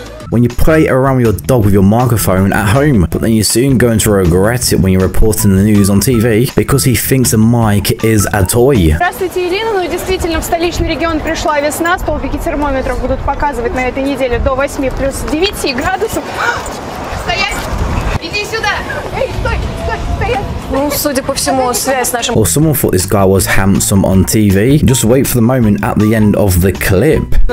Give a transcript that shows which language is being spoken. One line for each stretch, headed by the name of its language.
English: When you play around with your dog with your microphone at home, but then you're soon going to regret it when you're reporting the news on TV because he thinks the mic is a toy.
Russian: Здравствуйте, Ирина. Ну, действительно, в столичный регион пришла весна. Столбики термометров будут показывать на этой неделе до 8 плюс 9 градусов. Стоять! Иди сюда! Эй, стой! Стой! Стоять!
English: Well, someone thought this guy was handsome on TV. Just wait for the moment at the end of the clip.